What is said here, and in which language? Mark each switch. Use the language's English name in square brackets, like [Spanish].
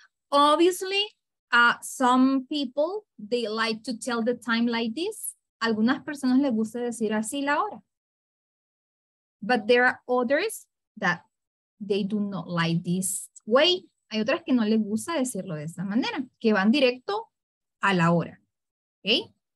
[English] Obviously, some people, they like to tell the time like this. [Spanish] Algunas personas les gusta decir así la hora. [English] But there are others that they do not like this way. [Spanish] Hay otras que no les gusta decirlo de esa manera, que van directo a la hora. Okay?